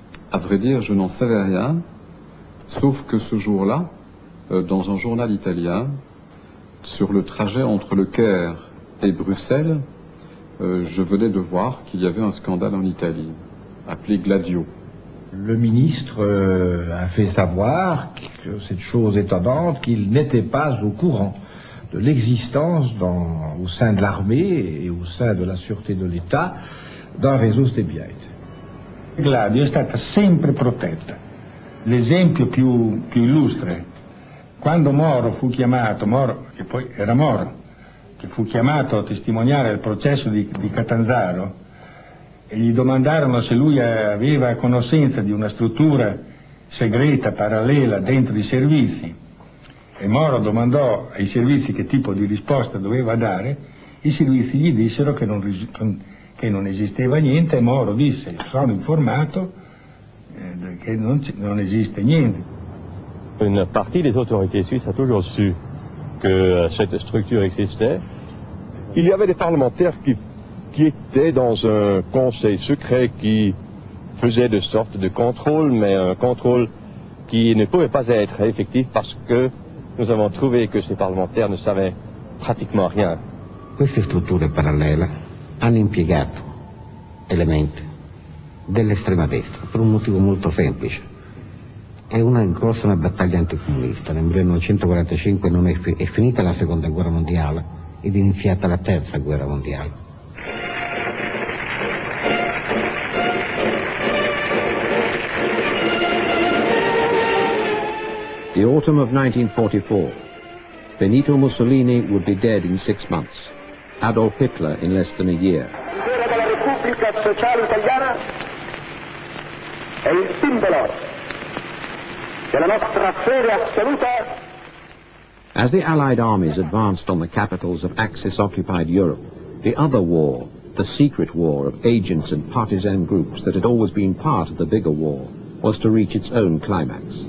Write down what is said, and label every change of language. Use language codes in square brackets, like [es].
[fr] À vrai dire, je n'en savais rien, sauf que ce jour-là, dans un journal italien, sur le trajet entre le Caire et Bruxelles, je venais de voir qu'il y avait un scandale en Italie, appelé Gladio. Le ministre a fait savoir que cette chose étonnante, qu'il n'était pas au courant de l'existence au sein de l'armée et au sein de la sûreté de l'État d'un réseau stébiaïde. [it] Gladio è stata sempre protetta. L'esempio più illustre Quando Moro fu chiamato, Moro, che poi era Moro, che fu chiamato a testimoniare il processo di Catanzaro, e gli domandarono se lui aveva conoscenza di una struttura segreta, parallela, dentro i servizi, e Moro domandò ai servizi che tipo di risposta doveva dare, i servizi gli dissero che non esisteva niente, e Moro disse, sono informato che non esiste niente. [fr] Une partie des autorités suisses a toujours su que cette structure existait. Il y avait des parlementaires qui étaient dans un conseil secret qui faisait de sorte de contrôle, mais un contrôle qui ne pouvait pas être effectif parce que nous avons trouvé que ces parlementaires ne savaient pratiquement rien. [it] Queste strutture parallele hanno impiegato elementi dell'estrema destra per un motivo molto semplice. È una grossa battaglia anticomunista. Nel 1945 non è finita la seconda guerra mondiale ed è iniziata la terza guerra mondiale. [en] The autumn of 1944. Benito Mussolini would be dead in 6 months. Adolf Hitler in less than a year. [it] La Repubblica Sociale Italiana è il simbolo della nostra fede assoluta. [en] As the Allied armies advanced on the capitals of Axis-occupied Europe, the other war, the secret war of agents and partisan groups that had always been part of the bigger war, was to reach its own climax.